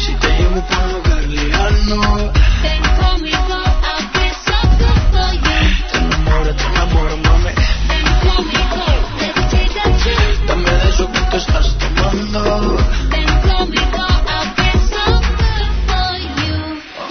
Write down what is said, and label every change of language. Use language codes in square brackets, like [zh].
[es] Si te llevo por un lugar lejano. Ven conmigo, [en] I'll be so good for you. [es] Te enamoro, mami. Ven conmigo, [en] let's take a trip. [es] Dame de eso que te estás tomando. Ven conmigo, [en] I'll be so good for you.